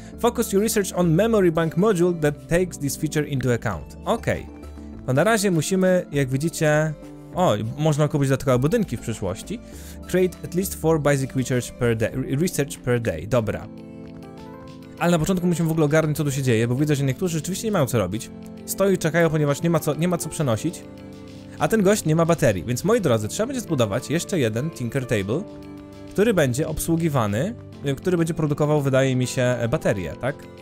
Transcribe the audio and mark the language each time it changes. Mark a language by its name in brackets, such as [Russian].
[English] Focus your research on memory bank module that takes this feature into account. [Polish] Okej. Okay. To na razie musimy, jak widzicie... O, można kupić dodatkowe budynki w przyszłości. [English] Create at least 4 basic research per day. [Polish] Dobra. Ale na początku musimy w ogóle ogarnąć, co tu się dzieje, bo widzę, że niektórzy rzeczywiście nie mają co robić. Stoją i czekają, ponieważ nie ma co przenosić. A ten gość nie ma baterii, więc moi drodzy, trzeba będzie zbudować jeszcze jeden Tinker Table, który będzie obsługiwany, który będzie produkował, wydaje mi się, baterie, tak?